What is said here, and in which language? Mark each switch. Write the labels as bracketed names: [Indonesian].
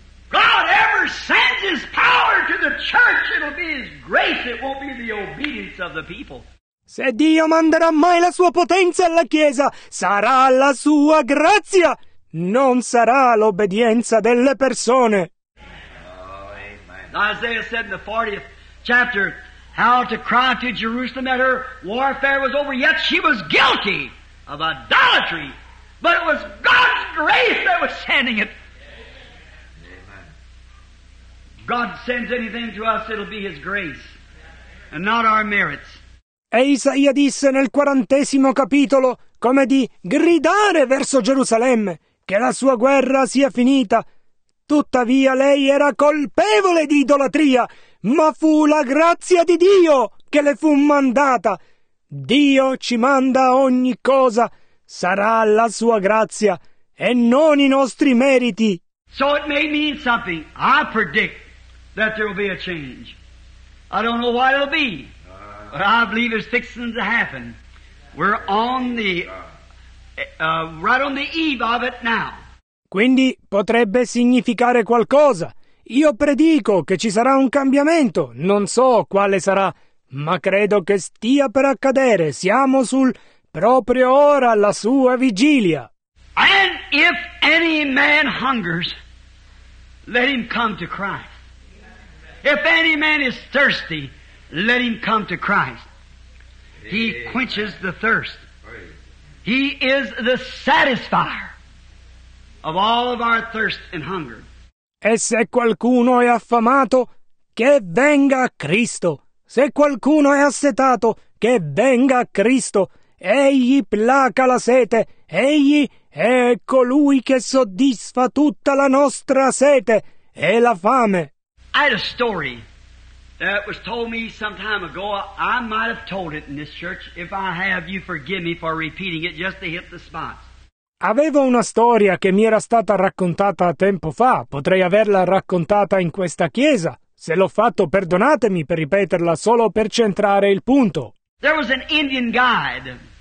[English] God ever sends his power to the church, it'll be his grace, it won't be the obedience of the people. [Italian] Se Dio manderà mai la sua potenza alla chiesa, sarà la sua grazia, non sarà l'obbedienza delle persone. [English] Oh, amen. Isaiah said in the 40th chapter how to cry to Jerusalem that her warfare was over, yet she was guilty of idolatry. But it was God's grace that was sending it. Amen. God sends anything to us, it'll be his grace, and not our merits. [Italian] E Isaia disse nel 40° capitolo come di gridare verso Gerusalemme che la sua guerra sia finita. Tuttavia lei era colpevole di idolatria, ma fu la grazia di Dio che le fu mandata. Dio ci manda ogni cosa. Sarà la sua grazia e non i nostri meriti. [English] So it may mean something. I predict that there will be a change. I don't know what it'll be, but I believe it's fixing to happen. We're on the right on the eve of it now. [Italian] Quindi potrebbe significare qualcosa. Io predico che ci sarà un cambiamento. Non so quale sarà, ma credo che stia per accadere. Siamo sul proprio ora, la sua vigilia. [English] And if any man hungers, let him come to Christ. If any man is thirsty, let him come to Christ. He quenches the thirst. He is the satisfier of all of our thirst and hunger. [Italian] E se qualcuno è affamato, che venga Cristo. Se qualcuno è assetato, che venga Cristo. Egli placa la sete, egli è colui che soddisfa tutta la nostra sete e la fame. [English] I had a story that was told me some time ago. I might have told it in this church. If I have, you forgive me for repeating it just to hit the spot. [Italian] Avevo una storia che mi era stata raccontata tempo fa. Potrei averla raccontata in questa chiesa. Se l'ho fatto, perdonatemi per ripeterla solo per centrare il punto. [English] There was an Indian guide.